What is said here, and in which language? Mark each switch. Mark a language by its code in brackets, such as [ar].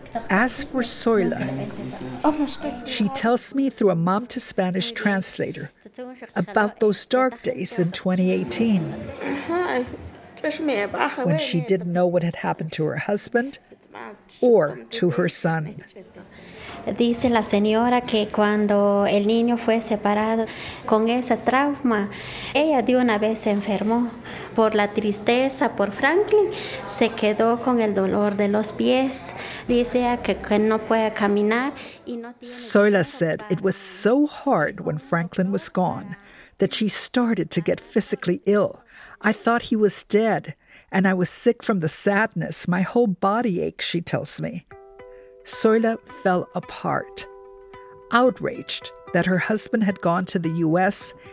[en] As for Zoila, she tells me through a mom to Spanish translator about those dark days in 2018. When she didn't know what had happened to her husband or to her son. [es] Dice la señora que cuando el niño fue separado con ese trauma, ella de una vez se enfermó. Por la tristeza, por Franklin, se quedó con el dolor de los pies. Dice que no puede caminar. [en] Zoila said it was so hard when Franklin was gone that she started to get physically ill. I thought he was dead, and I was sick from the sadness. My whole body ached, she tells me. Zoila fell apart, outraged that her husband had gone to the U.S.